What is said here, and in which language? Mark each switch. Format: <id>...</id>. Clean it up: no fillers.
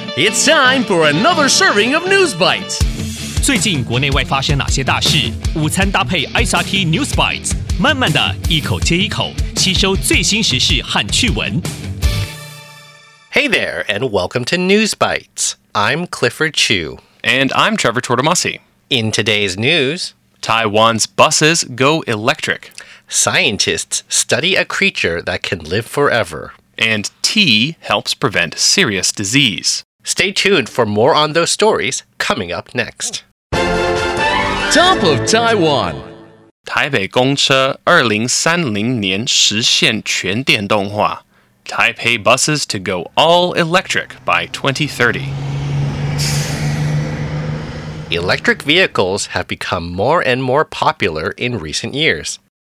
<en>It's time for another serving of News Bites.</en> <zh>最近国内外发生哪些大事？午餐搭配 SRT News Bites， 慢慢的一口接一口，吸收最新时事和趣闻。</zh> <en>Hey there, and welcome to News Bites. I'm Clifford Chu. And I'm Trevor Tortomasi. In today's news, Taiwan's buses go electric. Scientists study a creature that can live forever. And tea helps prevent serious disease. Stay tuned for more on those stories coming up next. Top of Taiwan.</en> <zh>台北公车2030年实现全电动化。</zh> <en>Taipei buses to go all electric by 2030. Electric vehicles have become more and more popular in recent years.</en>